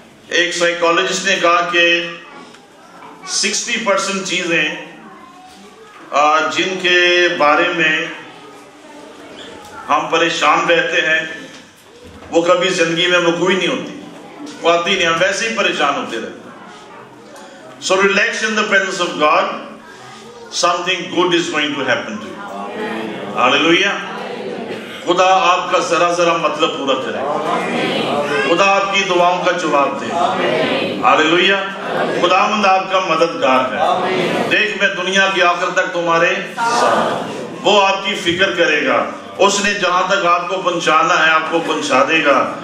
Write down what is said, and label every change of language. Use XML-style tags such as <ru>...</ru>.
<ur>ایک سائیکالوجسٹ نے کہا کہ 60% چیزیں جن کے بارے میں ہم پریشان رہتے ہیں, وہ کبھی زندگی میں وقوع نہیں ہوتی, آتی نہیں, ہم ویسے ہی پریشان ہوتے رہتے.</ur> <en>So relax in the presence of God, something good is going to happen to you.</en> <ur>ہالیلویہ. خدا آپ کا ذرا ذرا مطلب پورا کرے, خدا آپ کی دعاؤں کا جواب دے. ہالیلویہ. خدا مند آپ کا مددگار ہے. دیکھ میں دنیا کی آخر تک تمہارے ساتھ, وہ آپ کی فکر کرے گا, اس نے جہاں تک آپ کو پہنچانا ہے آپ کو پہنچا دے گا.</ur>